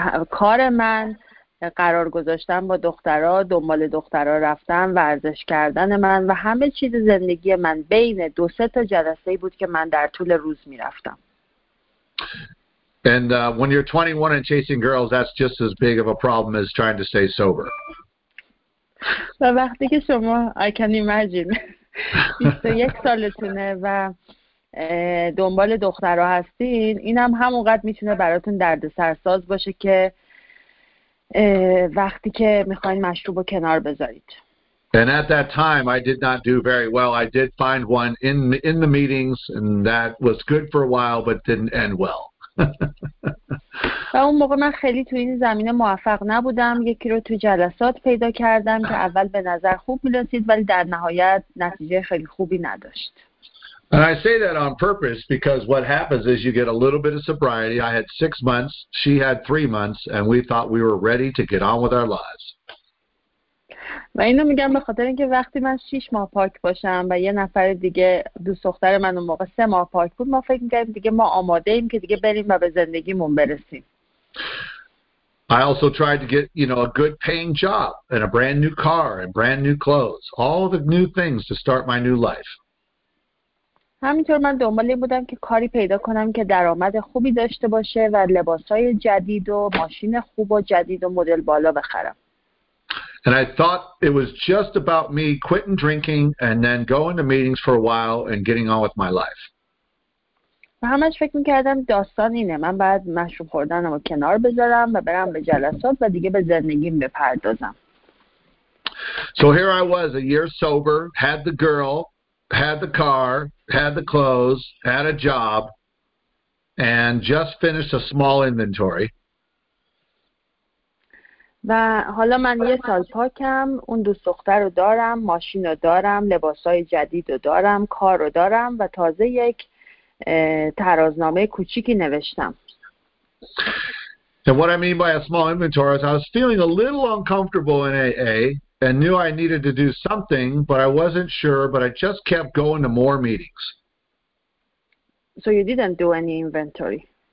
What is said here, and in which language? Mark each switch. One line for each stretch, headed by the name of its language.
Persian: کار من، قرار گذاشتن با دخترها، دنبال دخترها رفتن، ورزش کردن من و همه چیز زندگی من بین دو سه تا جلسه بود که من در طول روز می‌رفتم.
English: And when you're 21 and chasing girls, that's just as big of a problem as trying to stay sober.
Persian: و وقتی که شما
English: I can imagine
Persian: 21 سالتونه و دنبال دخترها هستین، اینم همونقدر میتونه براتون دردسر ساز باشه که وقتی که میخواین مشروبو کنار بذارید.
English: And at that time I did not do very well. I did find one in the meetings and that was good for a while but didn't end well.
Persian: و اون موقع من خیلی تو این زمینه موفق نبودم. یکی رو تو جلسات پیدا کردم که اول به نظر خوب می‌رسید ولی در نهایت نتیجه خیلی خوبی نداشت.
English: And I say that on purpose because what happens is you get a little bit of sobriety. I had 6 months, she had 3 months, and we thought we were ready to get on with our lives.
Persian: و اینو میگم به خاطر اینکه وقتی من 6 ماه پاک باشم و یه نفر دیگه دوست دختر من اون موقع 3 ماه پاک بود، ما فکر میکردیم دیگه ما آماده ایم که دیگه بریم و به زندگیمون برسیم.
English: I also tried to get, you know, a good paying job and a brand new car and brand new clothes, all the new things to start my new life.
Persian: همینطور من دنبال این بودم که کاری پیدا کنم که درآمد خوبی داشته باشه و لباسای جدید و ماشین خوب و جدید و مدل بالا بخرم.
English: And I thought it was just about me quitting drinking and then going to meetings for a while and getting on with my life.
Persian: و همش فکر می‌کردم داستان اینه، من بعد مشروب خوردنمو کنار بذارم و برم به جلسات و دیگه به زندگیم بپردازم.
English: So here I was, a year sober, had the girl, had the car, had the clothes, had a job, and just finished a small inventory.
Persian: و حالا من یه سال پاکم، اون دوست دختر رو دارم، ماشین رو دارم، لباسای جدید رو دارم، کار رو دارم و تازه یک ترازنامه کوچیکی نوشتم.
English: And what I mean by a small inventory is I was feeling a little uncomfortable in AA and knew I needed to do something, but I wasn't sure, but I just kept going to more meetings. So you didn't do any inventory?